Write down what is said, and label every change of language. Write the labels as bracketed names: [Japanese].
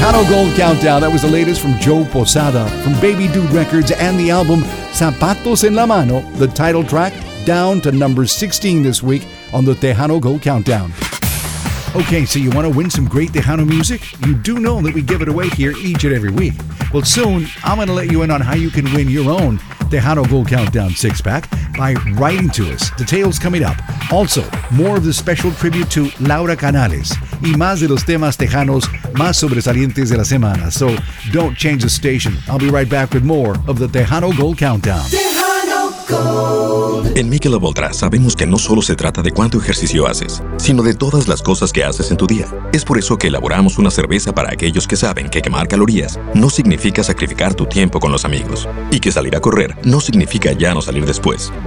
[English] Gold Countdown, that was the latest from Joe Posada from Baby Doo Records and the album Zapatos en la Mano, the title track, down to number 16 this week on the Tejano Gold Countdown. Okay, so you want to win some great Tejano music? You do know that we give it away here each and every week. Well, soon, I'm going to let you in on how you can win your own Tejano Gold Countdown six-pack by writing to us. Details coming up. Also, more of the special tribute to Laura Canales [Spanish] y más de los temas tejanos más sobresalientes de la semana. [English] So, don't change the station. I'll be right back with more of the Tejano Gold Countdown. Tejano Gold. [Spanish] En Michelob Ultra sabemos que no solo se trata de cuánto ejercicio haces, sino de todas las cosas que haces en tu día. Es por eso que elaboramos una cerveza para aquellos que saben que quemar calorías no significa sacrificar tu tiempo con los amigos y que salir a correr no significa ya no salir después.